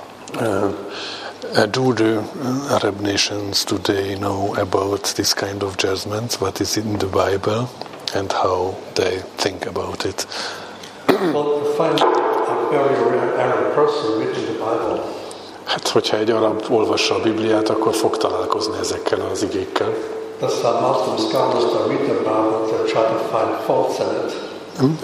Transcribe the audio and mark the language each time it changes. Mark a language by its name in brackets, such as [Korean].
[English] Do the Arab nations today know about this kind of judgment? What is in the Bible and how they think about it? Well, to find a very rare Arab person reading the Bible. [Hungarian] Hát, hogyha egy arab olvassa a Bibliát, akkor fog találkozni ezekkel az igékkel. [English] That's how Muslim scholars that read the Bible they try to find faults in it.